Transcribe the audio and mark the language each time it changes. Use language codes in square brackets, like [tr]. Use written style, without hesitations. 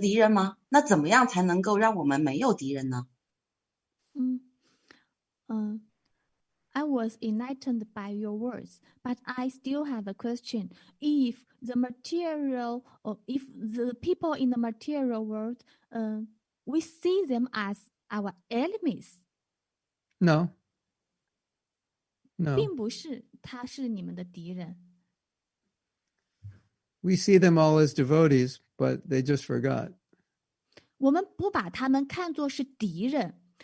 [zh] 但是，Guru讲了这些，我就觉得很受启发。但是回到就是Guru之前的说的那句话，那么如果是这样子的话，也就是说物质世界的这些人，他也算是我们的敌人吗？那怎么样才能够让我们没有敌人呢？ [en] I was enlightened by your words, but I still have a question. If the material, or if the people in the material world, we see them as our enemies. No. No. [zh] 并不是他是你们的敌人。 [en] We see them all as devotees, but they just forgot. [zh] 我们不把他们看作是敌人。